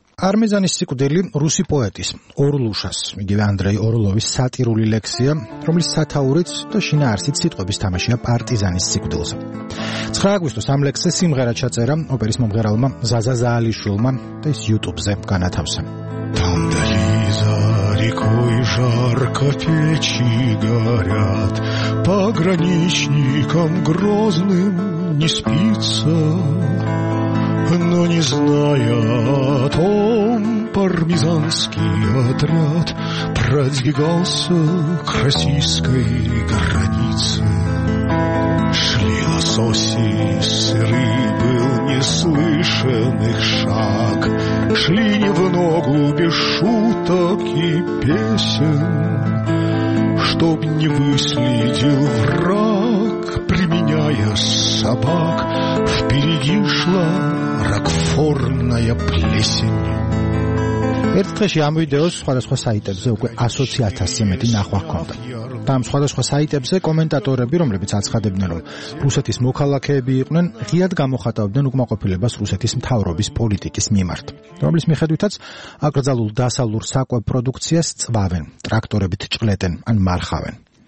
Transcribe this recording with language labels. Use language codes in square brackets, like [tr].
[ka] არმეზანის სიკვდილი რუსი პოეტის ორლუშას, იგივე ანდრეი ორლოვის სატირული ლექსია, რომლის სათაურიც და შინაარსიც სიტყვების თამაშია პარტიზანის სიკვდილზე. 9 აგვისტოს ამ ლექსზე სიმღერა ჩაწერა ოპერის მომღერალმა ზაზა ზაალიშვილმა და ის YouTube-ზე განათავსა. [ru] Рекой жарко печи горят, пограничникам грозным не спится. Но не зная о том, пармезанский отряд продвигался к российской границе. Шли лососи сырые, был не слышен их шаг. Шли не в ногу без шуток и песен. Чтоб не выследил враг, применяя собак, впереди шла рокфорная плесень. [ka] ერთ დღეში ამ ვიდეოს სხვადასხვა საიტებზე უკვე 120,000 მეტი ნახვა ჰქონდა. და ამ სხვადასხვა საიტებზე კომენტატორები, რომლებიც აცხადებდნენ, რომ რუსეთის მოქალაქეები იყვნენ, ღიად გამოხატავდნენ უკმაყოფილებას რუსეთის მთავრობის პოლიტიკის მიმართ, რომლის მიხედვითაც აკრძალულ დასავლურ საკვებ პროდუქციას წვავენ, ტრაქტორებით ჭყლეტენ ან მარხავენ.